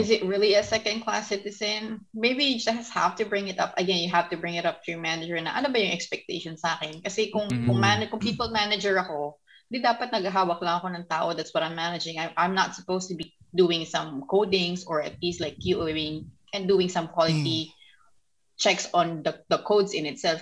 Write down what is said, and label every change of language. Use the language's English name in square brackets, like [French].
[English] Pero is it really a second class citizen? Maybe you just have to bring it up. Again, you have to bring it up to your manager [Filipino] na ano ba yung expectation sa akin? Kasi kung kung people manager ako, di dapat naghahawak lang ako ng tao. [English] That's what I'm managing. I'm not supposed to be doing some codings or at least like QAing and doing some quality checks on the codes in itself.